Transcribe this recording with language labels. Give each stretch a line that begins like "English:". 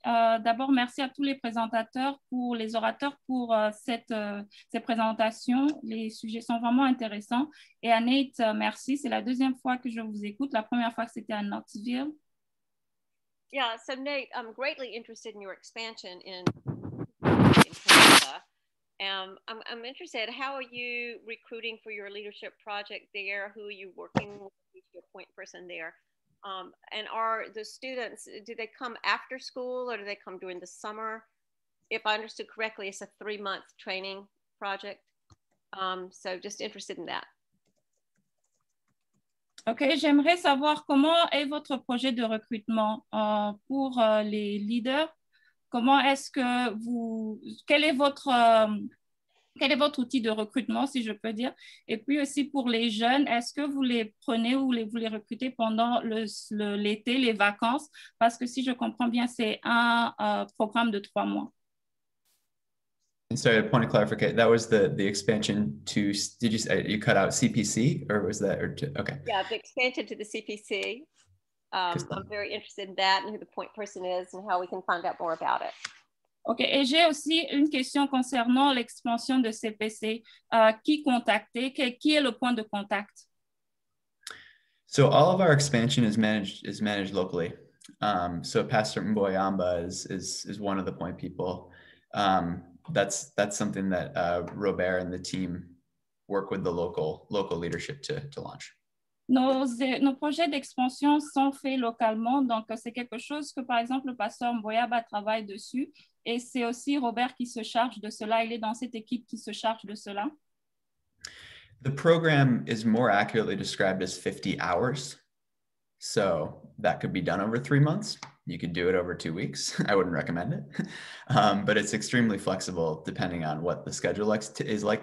French: D'abord, merci à tous les présentateurs, pour les orateurs pour ces présentations. Les sujets sont vraiment intéressants. Et à Nate, merci. C'est la deuxième fois que je vous écoute. La première fois que c'était à Knoxville.
English: Yeah, so Nate, I'm greatly interested in your expansion in Canada. I'm interested, how are you recruiting for your leadership project there? Who are you working with? Who's your point person there? And are the students, do they come after school or do they come during the summer? If I understood correctly, it's a 3-month training project. So just interested in that.
French: OK, j'aimerais savoir comment est votre projet de recrutement pour les leaders. Comment est-ce que vous, quel est votre outil de recrutement, si je peux dire? Et puis aussi pour les jeunes, est-ce que vous les prenez ou vous les recrutez pendant l'été, les vacances? Parce que si je comprends bien, c'est un programme de 3 mois.
English: Sorry, a point of clarification. That was the expansion to, did you cut out CPC or was that, or to, okay. Yeah, the expansion to the CPC. I'm very interested in that and who the point person is and how we can find out more about it.
French: Okay, et j'ai aussi une question concernant l'expansion de CPC. Qui contacter? Qui est le point de contact?
English: So all of our expansion is managed locally. So Pastor Mboyamba is one of the point people. That's something that Robert and the team work with the local leadership to launch.
French: Nos projets d'expansion sont faits localement, donc c'est quelque chose que, par exemple, le pasteur Mboyamba travaille dessus, et c'est aussi Robert qui se charge de cela, il est dans cette équipe qui se charge de cela.
English: The program is more accurately described as 50 hours, so that could be done over 3 months. You could do it over 2 weeks. I wouldn't recommend it, but it's extremely flexible depending on what the schedule is like.